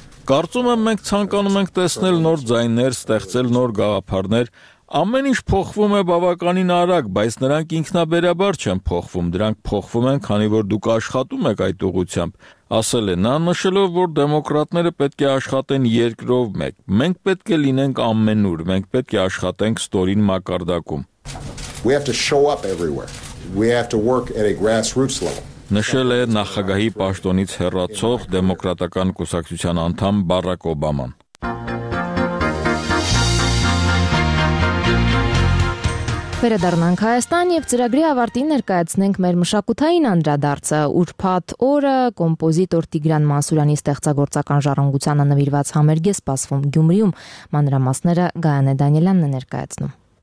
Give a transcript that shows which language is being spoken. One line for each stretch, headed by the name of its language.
Armenian: Կարծում եմ, մենք ցանկանում ենք տեսնել նոր ձայներ, ստեղծել նոր գաղափարներ։ Ամեն ինչ փոխվում է բավականին արագ, բայց նրանք ինքնաբերաբար չեն փոխվում, դրանք փոխվում են, քանի որ դուք աշխատում եք այդ ուղղությամբ, ասել է նա, նշելով, որ դեմոկրատները պետք է աշխատեն երկրով մեկ, մենք պետք է լինենք ամենուր, մենք պետք է աշխատենք ստորին մակարդակում։
English: We have to show up everywhere. We have to work at a grassroots level.
Armenian: Նշել է նախագահի պաշտոնից հեռացող դեմոկրատական կուսակցության անդամ Բարակ Օբաման։ Վերադառնանք Հայաստան եւ ծրագրի ավարտին ներկայացնենք մեր մշակութային անդրադարձը՝ Ուրբաթ օրը կոմպոզիտոր Տիգրան Մասուրյանի ստեղծագործական ժառանգությանը նվիրված համերգ է սպասվում Գյումրիում, մանրամասները Գայանե Դանիելյանն է ներկայացնում։